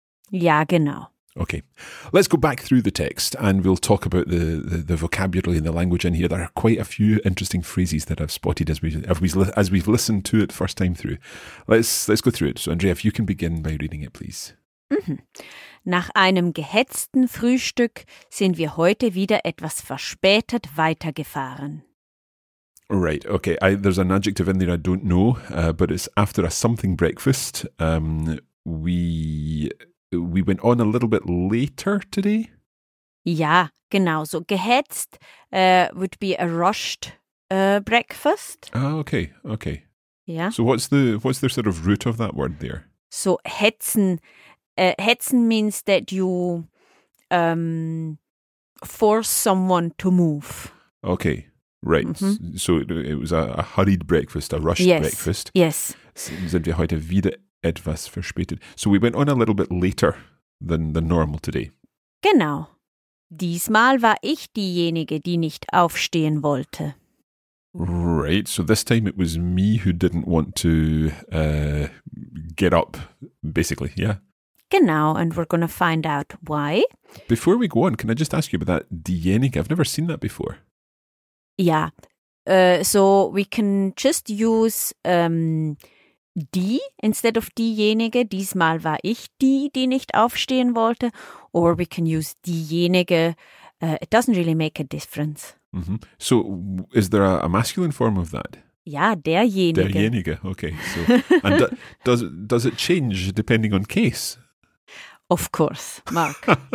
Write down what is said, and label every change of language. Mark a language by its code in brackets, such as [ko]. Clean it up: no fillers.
[de] Ja, genau. [en] Okay. Let's go back through the text and we'll talk about the vocabulary and the language in here. There are quite a few interesting phrases that I've spotted as we've listened to it first time through. Let's go through it. So Andrea, if you can begin by reading it, please. Mm-hmm. [de] Nach einem gehetzten Frühstück sind wir heute wieder etwas verspätet weitergefahren. [en] Right, okay. There's an adjective in there I don't know, but it's after a something breakfast. We went on a little bit later today. [de] Ja, genau. [en] So gehetzt would be a rushed breakfast. Ah, okay, okay. Yeah. So what's the sort of root of that word there? So hetzen. Hetzen means that you force someone to move. Okay, right. Mm-hmm. So it was a hurried breakfast, a rushed breakfast. Yes, [de] sind wir heute wieder etwas verspätet. [en] So we went on a little bit later than normal today. [de] Genau. Diesmal war ich diejenige, die nicht aufstehen wollte. [en] Right, so this time it was me who didn't want to get up, basically, yeah? [de] Genau, [en] and we're going to find out why. Before we go on, can I just ask you about that diejenige? I've never seen that before. [de] Ja, [en] so we can just use die instead of diejenige. [de] Diesmal war ich die, die nicht aufstehen wollte. [en] Or we can use diejenige. It doesn't really make a difference. Mm-hmm. So is there a masculine form of that? [de] Ja, derjenige. Derjenige, okay. [en] So, and does it change depending on case? Of course, Mark.